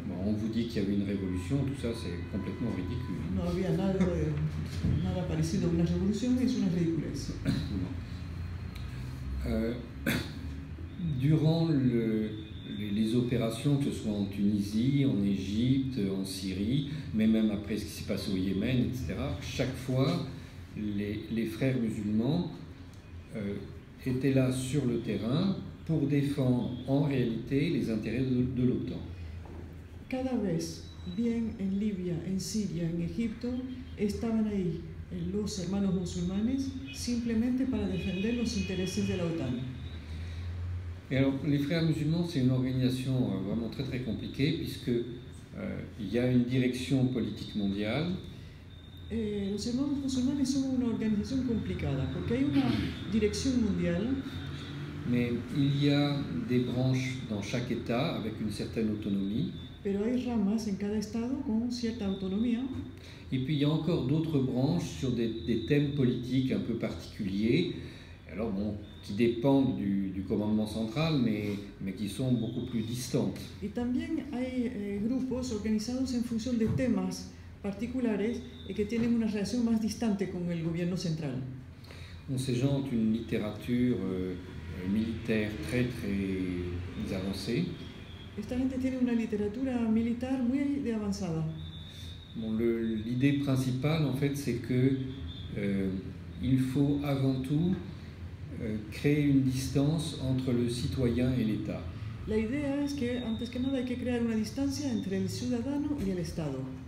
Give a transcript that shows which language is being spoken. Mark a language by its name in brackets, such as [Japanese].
[French] Bon, on vous dit qu'il y avait une révolution, tout ça c'est complètement ridicule. [Spanish] No había nada parecido a una revolución, es una ridiculez. [French] durant les opérations, que ce soit en Tunisie, en Égypte, en Syrie, mais même après ce qui s'est passé au Yémen, etc., chaque fois, les frères musulmans étaient là sur le terrain pour défendre en réalité les intérêts de l'OTAN. [Spanish] Cada vez, bien en Libia, en Siria, en Egipto, estaban ahí los hermanos musulmanes simplemente para defender los intereses de la OTAN. [French] Et alors, les frères musulmans, c'est une organisation vraiment très très compliquée, puisque il y a une direction politique mondiale. [Spanish] Los hermanos musulmanes son una organización complicada porque hay una dirección mundial. [French] Mais il y a des branches dans chaque État avec une certaine autonomie. [Spanish] Pero hay ramas en cada estado con cierta autonomía. [French] Et puis il y a encore d'autres branches sur des thèmes politiques un peu particuliers. Alors bon, qui dépendent du commandement central, mais qui sont beaucoup plus distantes. [Spanish] Y también hay grupos organizados en función de temas particulares et que tienen una relación más distante con el gobierno central. [French] Bon, ces gens ont une littérature militaire très très avancée. [Spanish] Esta gente tiene una literatura militar muy avanzada. [French] Bon, l'idée principale, en fait, c'est que il faut avant tout créer une distance entre le citoyen et l'État. [Spanish] La idée est que, antes que nada, hay que crear una distancia entre el ciudadano y el Estado.